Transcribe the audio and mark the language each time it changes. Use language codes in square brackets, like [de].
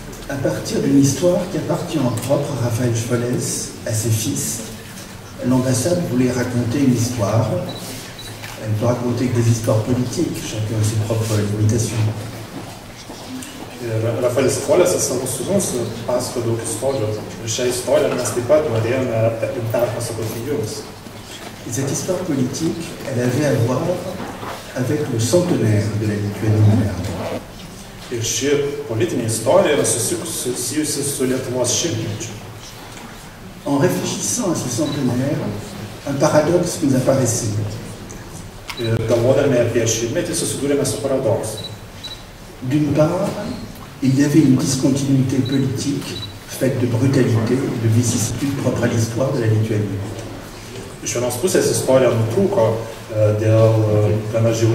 [fr] À partir d'une histoire qui appartient en propre à Rafael Cholès, à ses fils, l'ambassade voulait raconter une histoire. Elle ne peut raconter que des histoires politiques, chacun a ses propres limitations. [lt] Ir Rafaelis Cholesas savo sūnus pasako daug istorijų. Ir šią istoriją mes taip pat norėjome perpasakoti jums. [fr] Cette histoire politique, elle avait à voir avec le centenaire de la Lituanie. [lt] Ir ši politinė istorija yra susijusi su Lietuvos šimtmečiu. [fr] En réfléchissant à ce centenaire, un paradoxe nous apparaissait. [lt] Ir galvodami apie šimtmetį, susidūrėme su paradoksu. [fr] D'une part, il y avait une discontinuité politique faite de brutalité et de vicissitudes propres à l'histoire de la Lituanie. Je pense que cette histoire est un peu comme